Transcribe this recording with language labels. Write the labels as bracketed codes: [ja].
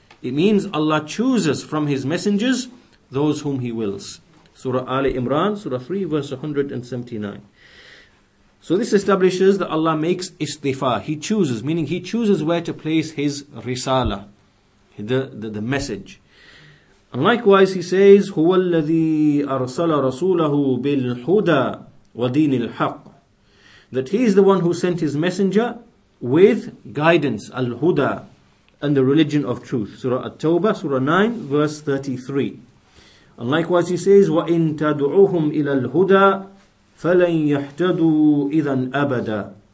[en] It means Allah chooses from His messengers those whom He wills. Surah Ali Imran, Surah 3, verse 179. So this establishes that Allah makes istifa. He chooses, meaning He chooses where to place His risala, the message. And likewise, He says, [ar] هو الذي أرسل رسوله بالهدى ودين الحق. [en] That He is the one who sent His messenger with guidance, al-huda, and the religion of truth. Surah At-Tawbah, Surah 9, verse 33. And likewise He says, [ar] وَإِن تَدْعُوهُمْ إِلَى الْهُدَى فَلَنْ يَحْتَدُوا إِذًا أَبَدًا.